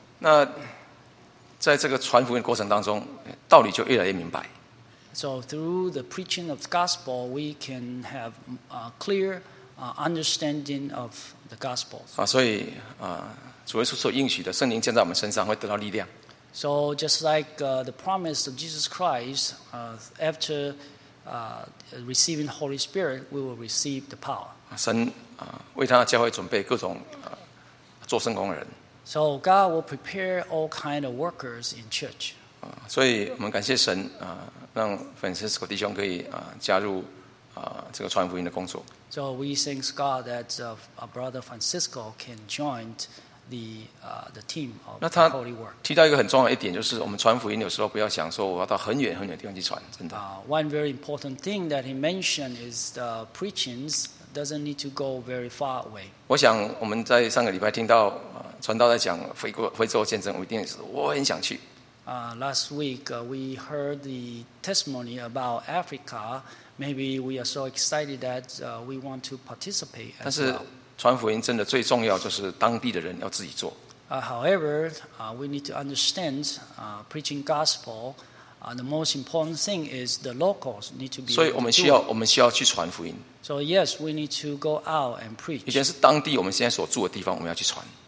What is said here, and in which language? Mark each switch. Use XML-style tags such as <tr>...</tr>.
<zh>那在这个传福音的过程当中，道理就越来越明白。</zh> <en>So through the preaching of the gospel, we can have a clear understanding of the gospel.</en> <zh>所以主耶稣所应许的圣灵降在我们身上会得到力量。</zh> <en>So just like the promise of Jesus Christ, after receiving the Holy Spirit, we will receive the power.</en> <zh>神为他的教会准备各种做圣工的人。</zh> <en>So God will prepare all kind of workers in church.</en> <zh>所以我们感谢神让 Francisco 弟兄可以加入这个传福音的工作。</zh> <en>So we thank God that brother Francisco can join the team of the holy work.</en> <zh>提到一个很重要的一点，就是我们传福音有时候不要想说我要到很远很远的地方去传，真的。</zh> <en>One very important thing that he mentioned is the preachings doesn't need to go very far away.</en> <zh>我想我们在上个礼拜听到传道在讲非洲见证，我一定是我很想去。</zh> <en>Last week we heard the testimony about Africa. Maybe we are so excited that we want to participate as well.</en> <zh>但是传福音真的最重要就是当地的人要自己做。</zh> <en>However, we need to understand preaching gospel the most important thing is the locals need to be.</en> <zh>所以我们需要，去传福音。</zh> <en>So yes, we need to go out and preach.</en> <zh>以前是当地我们现在所住的地方，我们要去传。</zh>